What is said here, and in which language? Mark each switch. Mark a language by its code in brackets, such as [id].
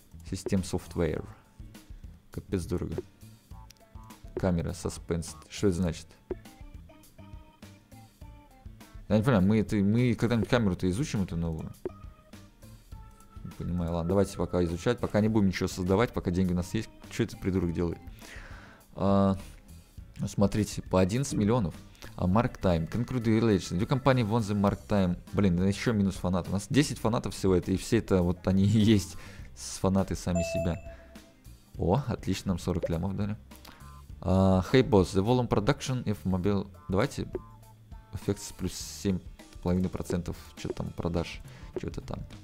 [en] System software. [ru] Капец дорого. Камера, suspense. Что это значит? Я не понимаю, мы когда-нибудь камеру-то изучим эту новую? Не понимаю, ладно, давайте пока изучать. Пока не будем ничего создавать, пока деньги у нас есть. Что это придурок делает? Смотрите, по 11 миллионов. [en] Mark Time, congratulations, your company won the Mark Time. [ru] Блин, еще минус фанат. У нас 10 фанатов всего это, и все это, вот они и есть с фанаты сами себя. О, отлично, нам 40 лямов дали. [en] Hey boss, the volume production if mobile... [ru] Давайте, эффект плюс 7.5% что-то там продаж, что-то там.